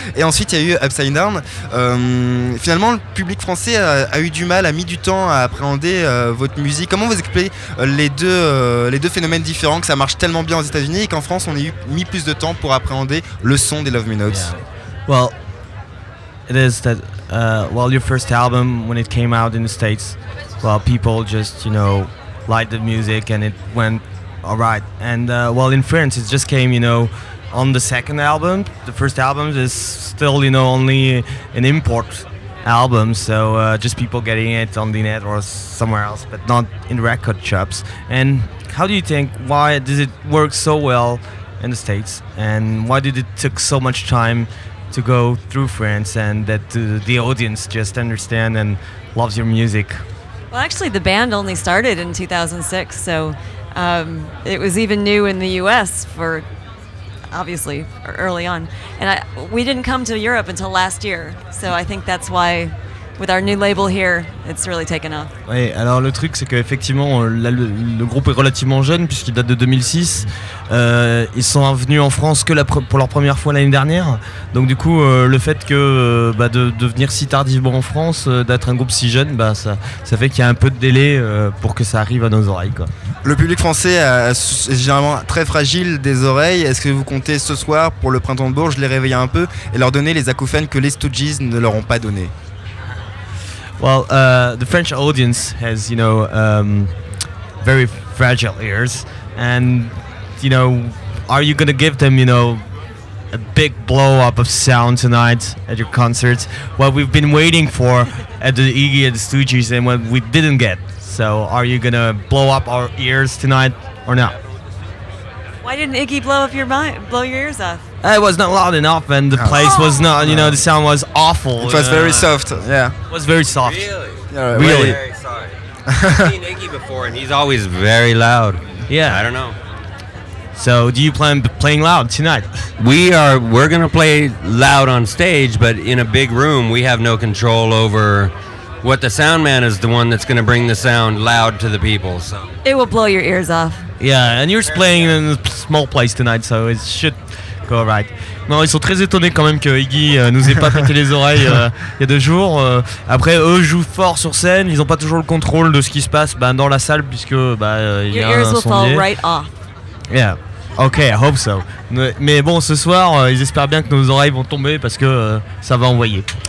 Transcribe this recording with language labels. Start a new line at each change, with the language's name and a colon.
French: Et ensuite, il y a eu Upside Down. Finalement, le public français a eu du mal, a mis du temps à appréhender votre musique. Comment vous expliquez les deux phénomènes différents, que ça marche tellement bien aux États-Unis et qu'en France, on a mis plus de temps pour appréhender le son des Love Me Notes?
English: Yeah. Well, it is that your first album, when it came out in the States, well, people just, you know, liked the music and it went all right. And in France, it just came, you know, on the second album. The first album is still, you know, only an import album, so just people getting it on the net or somewhere else, but not in record shops. And how do you think, why does it work so well in the States, and why did it took so much time to go through France and that the audience just understand and loves your music? Well, actually, the band only started in 2006, so it was even new in the US for, obviously, early on. And we didn't come to Europe until last year, so I think that's why, with our new label here, it's really taken off.
French: Oui, alors le truc, c'est qu'effectivement, le groupe est relativement jeune, puisqu'il date de 2006. Ils sont venus en France que pour leur première fois l'année dernière. Donc du coup, le fait que de venir si tardivement en France, d'être un groupe si jeune, ça fait qu'il y a un peu de délai pour que ça arrive à nos oreilles, quoi. Le public français est généralement très fragile des oreilles. Est-ce que vous comptez ce soir, pour le Printemps de Bourges, les réveiller un peu et leur donner les acouphènes que les Stooges ne leur ont pas donné?
English: Well, the French audience has, you know, very fragile ears, and, you know, are you going to give them, you know, a big blow up of sound tonight at your concert? What we've been waiting for at the Iggy and the Stooges and what we didn't get. So are you going to blow up our ears tonight or not? Why didn't Iggy blow your ears off? It was not loud enough, and the place was not, you know, the sound was awful. It was very soft, yeah. It was very soft. Really? Yeah, right. Really. Very sorry. I've seen Iggy before, and he's always very loud. Yeah. I don't know. So, do you plan playing loud tonight? We're going to play loud on stage, but in a big room, we have no control over what the sound man is, the one that's going to bring the sound loud to the people, so. It will blow your ears off. Yeah, and you're playing in a small place tonight, so it should... Alright.
French: Non, ils sont très étonnés quand même que Iggy nous ait pas pété les oreilles il y a deux jours. Après, eux jouent fort sur scène, ils ont pas toujours le contrôle de ce qui se passe dans la salle puisque il y a un sondier.
English: Right off. Yeah. Ok, I hope so.
French: Mais bon, ce soir, ils espèrent bien que nos oreilles vont tomber parce que ça va envoyer.